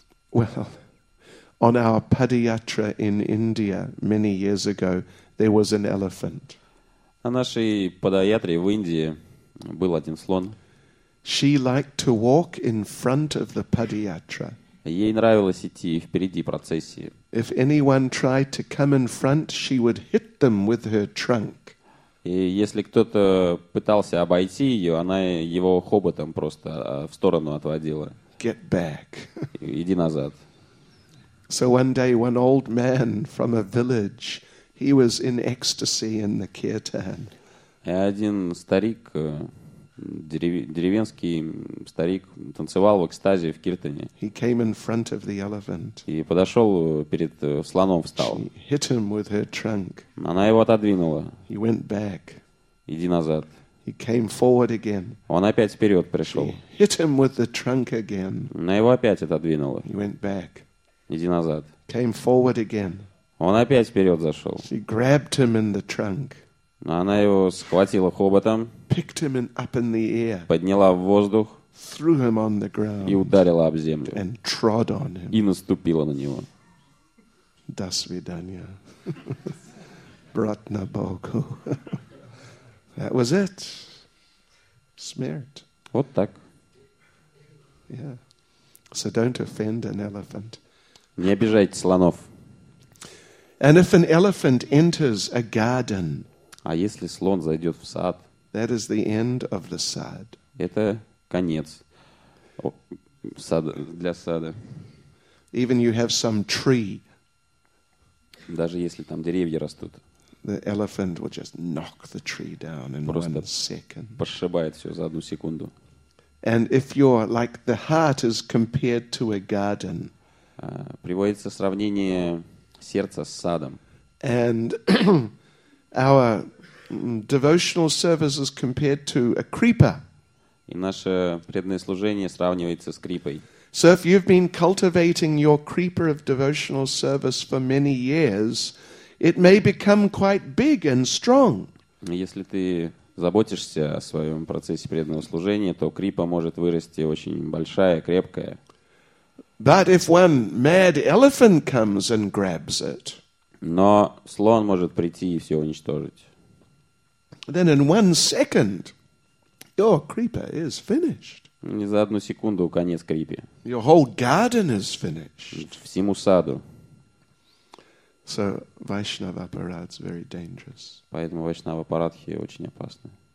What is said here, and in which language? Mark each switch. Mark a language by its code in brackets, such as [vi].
[en] Well, on our Padyatra in India many years ago, there was an elephant. [ru] На нашей Падаятре в Индии был один слон. [en] She liked to walk in front of the Padyatra. [ru] Ей нравилось идти впереди процессии. [en] If anyone tried to come in front, she would hit them with her trunk. [ru] И если кто-то пытался обойти ее, она его хоботом просто в сторону отводила. [en] Get back. [ru] Иди назад. [en] So one day one old man from a village, he was in ecstasy in the kirtan. [ru] И один старик, деревенский старик, танцевал в экстазе в киртане. [en] He came in front of the elephant. [ru] И подошел перед слоном, встал. [en] She hit him with her trunk. [ru] Она его отодвинула. [en] He went back. [ru] Иди назад. [en] He came forward again. [ru] Он опять вперед пришел. [en] She hit him with the trunk again. [ru] Она его опять отодвинула. [en] He went back. [ru] Иди назад. [en] Came forward again. [ru] Он опять вперед зашел. [en] She grabbed him in the trunk. [ru] Она его схватила хоботом. [en] Picked him up in the air, [ru] подняла в воздух, [en] threw him on the ground, [ru] и ударила об землю, [en] and trod on him. [ru] И наступила на него. До свидания. Братна Богу. [en] That was it. [ru] Смерть. Вот так. [en] Yeah. So don't offend an elephant. [ru] Не обижайте слонов. [en] And if an elephant enters a garden, [ru] а если слон зайдет в сад, [en] that is the end of the sad. [ru] Это конец сада, для сада. [en] Even you have some tree. [ru] Даже если там деревья растут. [en] The elephant will just knock the tree down in one second. [ru] Просто пошибает все за одну секунду. [en] And if you're like the heart is compared to a garden. [ru] Приводится сравнение сердца с садом. [en] And our devotional service is compared to a creeper. [ru] И наше преданное служение сравнивается с крипой. [en] So if you've been cultivating your creeper of devotional service for many years, it may become quite big and strong. [ru] Если ты заботишься о своем процессе преданного служения, то крипа может вырасти очень большая, крепкая. [en] But if one mad elephant comes and grabs it, [ru] но слон может прийти и все уничтожить. [en] Then in one second, your creeper is finished. [ru] Не за одну секунду конец крипе. [en] Your whole garden is finished. [ru] Всему саду. [en] So Vaishnava aparadha is very dangerous. [ru] Поэтому Вайшнава парадхи очень опасны.